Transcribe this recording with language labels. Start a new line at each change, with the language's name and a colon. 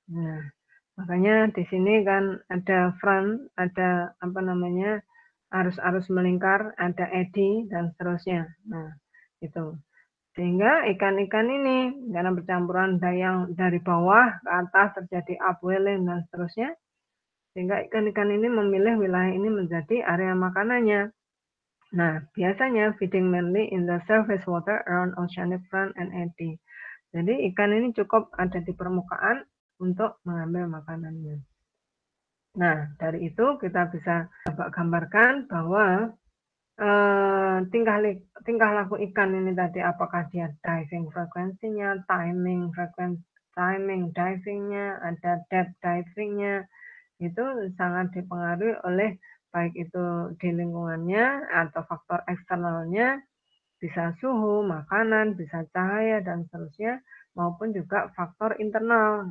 Indonesian: Nah, makanya di sini kan ada front, ada apa namanya, arus-arus melingkar, ada eddy dan seterusnya. Nah, itu. Sehingga ikan-ikan ini karena percampuran dayang dari bawah ke atas terjadi upwelling dan seterusnya. Sehingga ikan-ikan ini memilih wilayah ini menjadi area makanannya. Nah, biasanya
English: feeding mainly in the surface water around oceanic front and eddy.
Indonesian: Jadi ikan ini cukup ada di permukaan untuk mengambil makanannya. Nah, dari itu kita bisa gambarkan bahwa tingkah laku ikan ini tadi, apakah dia diving frekuensinya, timing divingnya, ada depth divingnya, itu sangat dipengaruhi oleh baik itu di lingkungannya atau faktor eksternalnya, bisa suhu, makanan, bisa cahaya dan seterusnya, maupun juga faktor internal.